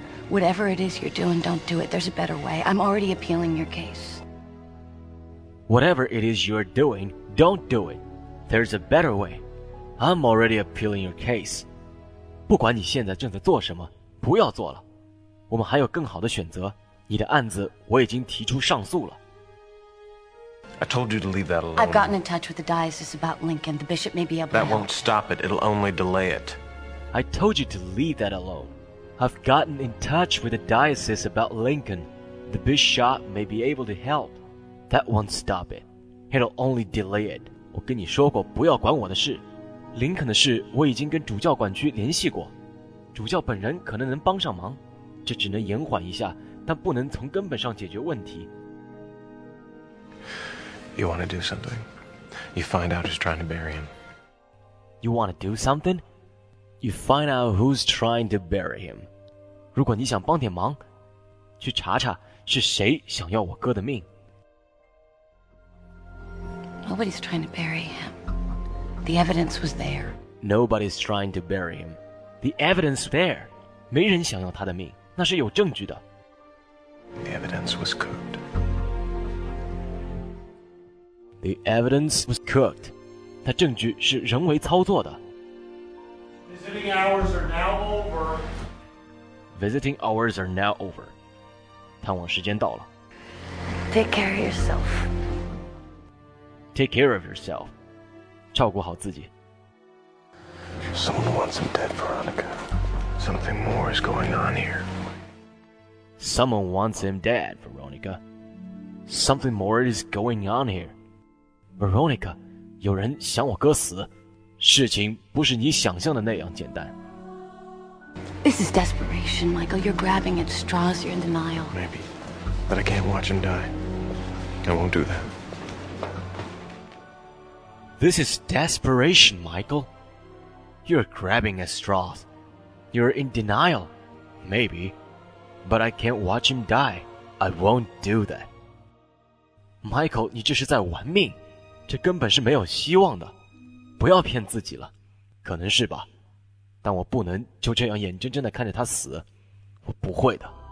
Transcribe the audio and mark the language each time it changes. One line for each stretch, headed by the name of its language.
English: Whatever it is you're doing, don't do it. There's a better way. I'm already appealing your case. Whatever it is you're doing, don't do it. There's a better way. I'm already appealing your case.
Chinese: 不管你现在正在做什么，不要做了。我们还有更好的选择。你的案子我已经提出上诉了。
English: I told you to leave that alone. I've gotten in touch with the diocese about Lincoln. The bishop may be able to help. That won't stop it. It'll only delay it. I told you to leave that alone. I've gotten in touch with the diocese about Lincoln. The bishop may be able to help. That won't stop it. It'll only delay it.
Chinese: 我跟你说过不要管我的事。林肯的事我已经跟主教管区联系过。主教本人可能能帮上忙。这只能延缓一下，但不能从根本上解决问题。
English: You want to do something? You find out who's trying to bury him. You want to do something? You find out who's trying to bury him.
Chinese: 如果你想帮点忙，去查查是谁想要我哥的命。
English: Nobody's trying to bury him. The evidence was there. Nobody's trying to bury him. The evidence there.
Chinese: 没人想要他的命，那是有证据的。
English: The evidence was cooked. The evidence was cooked.
Chinese: 他证据是人为操作的。
English: Visiting hours are now over. Visiting hours are now over.
Chinese: 探望时间到了。
English: Take care of yourself. Take care of yourself.
Chinese: 照顾好自己。
English: Someone wants him dead, Veronica. Something more is going on here. Someone wants him dead, Veronica. Something more is going on here.
Chinese: Veronica, 有人想我哥死，事情不是你想象的那样简单。
English: This is desperation, Michael. You're grabbing at straws. You're in denial. Maybe, but I can't watch him die. I won't do that. This is desperation, Michael. You're grabbing at straws. You're in denial. Maybe, but I can't watch him die. I won't do that.
Chinese: Michael, 你这是在玩命。这根本是没有希望的，不要骗自己了，可能是吧，但我不能就这样眼睁睁地看着他死，我不会的。